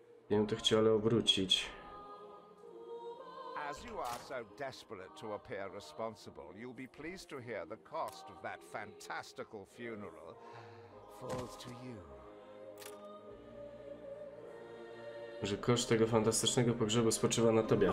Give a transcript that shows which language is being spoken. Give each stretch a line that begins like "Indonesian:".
Polish: Nie wiem, to chciał, ale obrócić.
English: As you are so desperate to appear responsible, you'll be pleased to hear the cost of that fantastical funeral falls to you.
Polish: Że koszt tego fantastycznego pogrzebu spoczywa na tobie.